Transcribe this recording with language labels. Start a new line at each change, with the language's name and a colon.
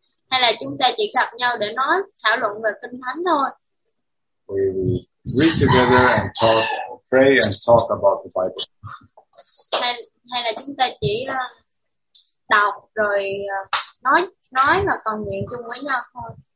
Vietnamese: Hay là chúng ta chỉ gặp nhau để nói thảo luận về Kinh Thánh thôi?
English: We read together and talk, pray and talk about the Bible.
Vietnamese: Hay là chúng ta chỉ đọc rồi nói và cầu nguyện chung với nhau thôi.